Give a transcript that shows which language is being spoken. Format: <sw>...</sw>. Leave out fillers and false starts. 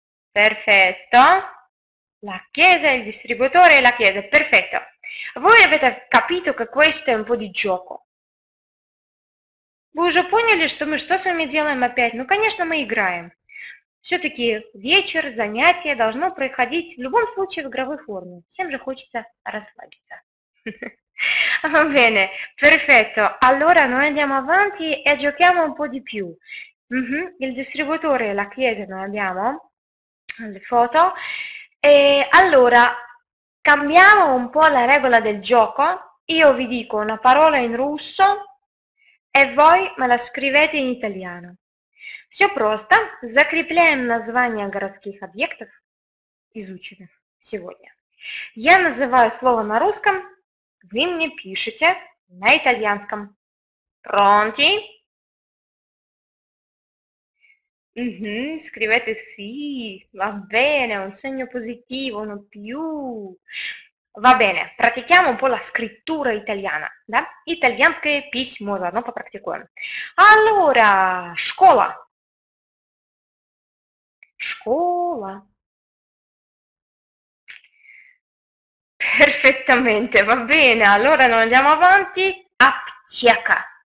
<it>Perfetto. La chiesa, il distributore e la chiesa. Perfetto. Voi avete capito che questo è un po' di gioco. Voi già</it> <ru>поняли, что мы что с вами делаем опять? Ну, конечно, мы играем. Все-таки вечер, занятие должно проходить в любом случае в игровой форме. Всем же хочется расслабиться.</ru> <it>Va bene, perfetto. Allora noi andiamo avanti e giochiamo un po' di più. Il distributore e la chiesa non abbiamo, le foto. E allora, cambiamo un po' la regola del gioco. Io vi dico una parola in russo e voi me la scrivete in italiano.</it> <ru>Все просто. Закрепляем названия городских объектов, изученных сегодня. Я называю слово на русском, вы мне пишете на итальянском.</ru> <it>Pronti? Scrivete sì, va bene, un segno positivo, non più. Va bene, pratichiamo un po' la scrittura italiana, da?</it> <ru>Итальянское письмо, заодно попрактикуем.</ru> <it>Allora,</it> <ru>школа.</ru> <it>Scuola. Perfettamente, va bene. Allora non andiamo avanti. Aptiaca.</it>